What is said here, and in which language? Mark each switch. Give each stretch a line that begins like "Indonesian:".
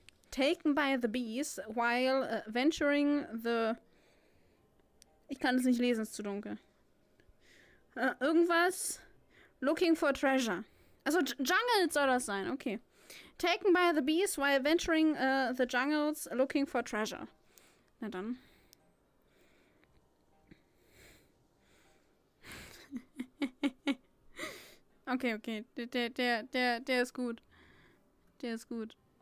English: Taken by the bees while venturing the.
German: Ich kann es nicht lesen, es ist zu dunkel. Irgendwas.
English: Looking for treasure.
German: Also Jungles soll das sein, okay.
English: Taken by the bees while venturing the jungles looking for treasure.
German: Na dann. Okay. Der ist gut. Der ist gut.